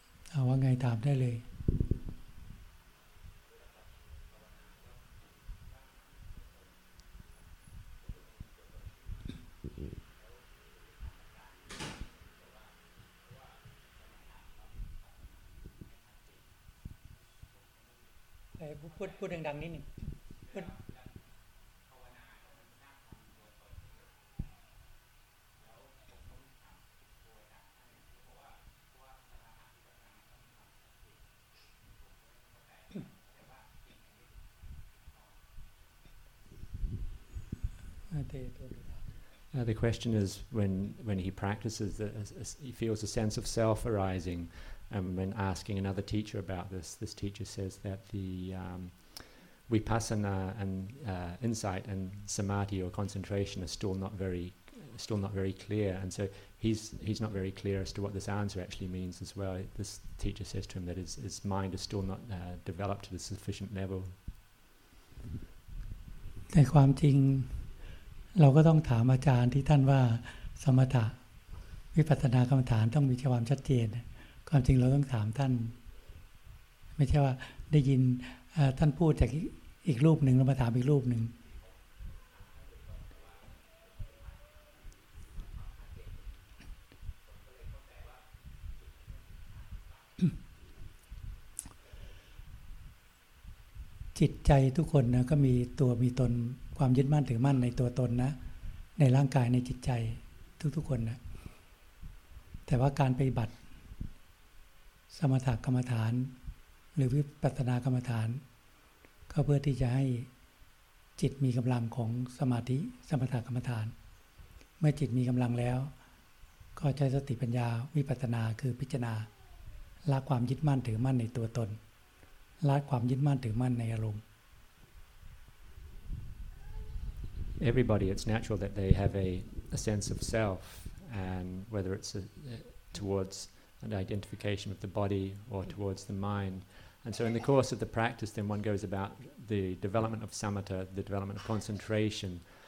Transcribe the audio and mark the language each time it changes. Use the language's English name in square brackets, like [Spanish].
[Thai] เอาว่าไงถามได้เลยพูดดังๆนิดนึงพูดภาวนาแล้วมันสร้างความตัวตนเยอะ แล้วผมก็มีความกลัวดักอะไรเพราะว่าสถานะที่แบบนั้นก็มีความสับสนผมก็ไม่เข้าใจแต่ว่าจริงๆไม่ถูก [English] The question is when he practices, he feels a sense of self arising, and when asking another teacher about this, this teacher says that the vipassana and insight and samadhi or concentration are still not very clear, and so he's not very clear as to what this answer actually means as well. This teacher says to him that his mind is still not developed to the sufficient level. In reality. [Thai] เราก็ต้องถามอาจารย์ที่ท่านว่าสมถะวิปัสสนากรรมฐานต้องมีความชัดเจนความจริงเราต้องถามท่านไม่ใช่ว่าได้ยินท่านพูดจากอีกรูปหนึ่งแล้วมาถามอีกรูปหนึ่งจิตใจทุกคนนะก็มีตัวมีตนความยึดมั่นถือมั่นในตัวตนนะในร่างกายในจิตใจทุกๆคนนะแต่ว่าการปฏิบัติ สมถกรรมฐานหรือวิปัสสนากรรมฐานก็เพื่อที่จะให้จิตมีกำลังของสมาธิสมถกรรมฐานเมื่อจิตมีกำลังแล้วก็ใช้สติปัญญาวิปัสสนาคือพิจารณาละความยึดมั่นถือมั่นในตัวตนละความยึดมั่นถือมั่นในอารมณ์ [English] Everybody, it's natural that they have a sense of self, and whether it's towards an identification with the body or towards the mind. And so in the course of the practice, then one goes about the development of samatha, the development of concentration.